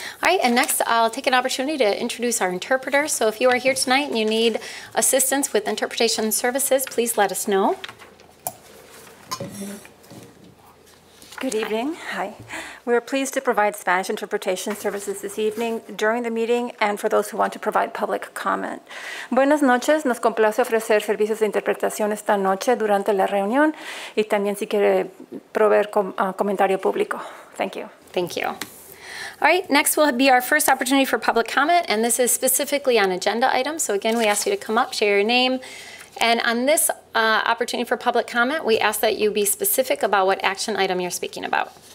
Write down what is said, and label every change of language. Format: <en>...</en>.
<en>All right, and next I'll take an opportunity to introduce our interpreter. So if you are here tonight and you need assistance with interpretation services, please let us know. Good evening. Hi. We are pleased to provide Spanish interpretation services this evening during the meeting and for those who want to provide public comment.</en> <es>Buenas noches. Nos complace ofrecer servicios de interpretación esta noche durante la reunión y también si quiere proveer comentario público.</es> <en>Thank you. Thank you. All right, next will be our first opportunity for public comment, and this is specifically on agenda items. So again, we ask you to come up, share your name. And on this opportunity for public comment, we ask that you be specific about what action item you're speaking about.</en>